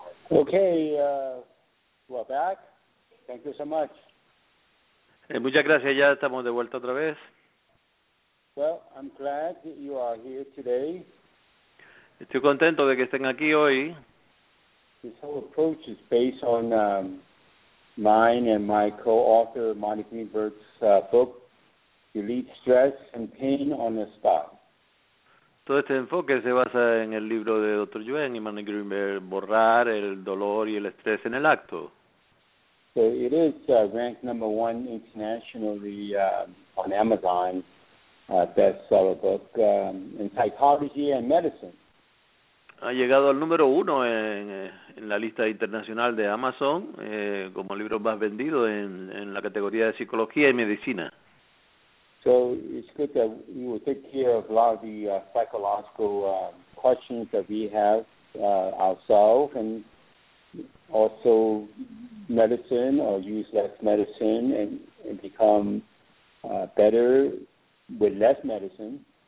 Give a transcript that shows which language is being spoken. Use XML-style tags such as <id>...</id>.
<en>Okay, we're back. Thank you so much.</en> <es>Muchas gracias, ya estamos de vuelta otra vez.</es> <en>Well, I'm glad that you are here today.</en> <es>Estoy contento de que estén aquí hoy.</es> <en>This whole approach is based on mine and my co-author Monty Greenberg's book, Delete Stress and Pain on the Spot.</en> <es>Todo este enfoque se basa en el libro de Dr. Yuen y Manny Greenberg, Borrar el dolor y el estrés en el acto.</es> <en>So it is ranked number one internationally on Amazon, bestseller book in psychology and medicine.</en> <es>Ha llegado al número uno en la lista internacional de Amazon como el libro más vendido en la categoría de psicología y medicina.</es> <en>So it's good that you will take care of a lot of the psychological questions that we have ourselves, and also medicine, or use less medicine and become better with less medicine.</en>